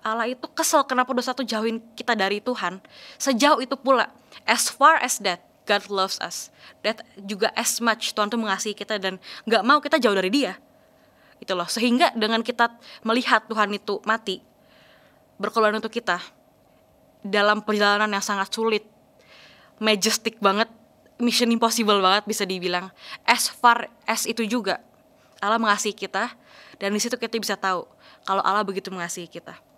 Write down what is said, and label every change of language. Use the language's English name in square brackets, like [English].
[Indonesian] Allah itu kesel kenapa dosa itu jauhin kita dari Tuhan. Sejauh itu pula, [English] as far as that, God loves us. That [Indonesian] juga [English] as much [Indonesian] Tuhan tuh mengasihi kita dan gak mau kita jauh dari dia. Gitu loh. Sehingga dengan kita melihat Tuhan itu mati, berkorban untuk kita, dalam perjalanan yang sangat sulit, majestic banget, [English] mission impossible [Indonesian] banget bisa dibilang, [English] as far as [Indonesian] itu juga, Allah mengasihi kita, dan di situ kita bisa tahu kalau Allah begitu mengasihi kita.